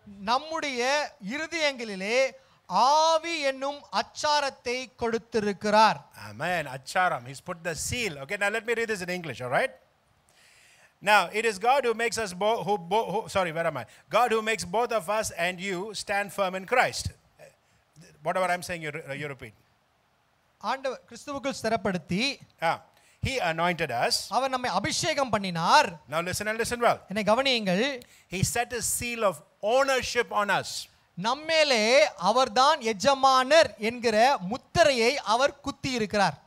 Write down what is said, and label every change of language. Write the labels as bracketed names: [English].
[Tamil] நம்முடைய இருதயங்களிலே ஆவி என்னும் அச்சாரத்தை கொடுத்திருக்கிறார். [English] Amen. [Tamil] அச்சாரம். [English] He's put the seal. Okay, now let me read this in English, all right? Now, it is God who makes us both, God who makes both of us and you stand firm in Christ. Whatever I'm saying, you repeat. [Tamil] ஆண்டவர் கிறிஸ்துவுக்குள் ஸ்திரப்படுத்தி. [English] He anointed us. [Tamil] அவர் நம்மை அபிஷேகம் பண்ணினார். [English] Now listen and listen well. [Tamil] என்னை கவனியுங்கள். [English] He set a seal of ownership on us. [Tamil] நம்மேலே அவர்தான் எஜமானர் என்கிற முத்திரையை அவர் குத்தி இருக்கிறார்.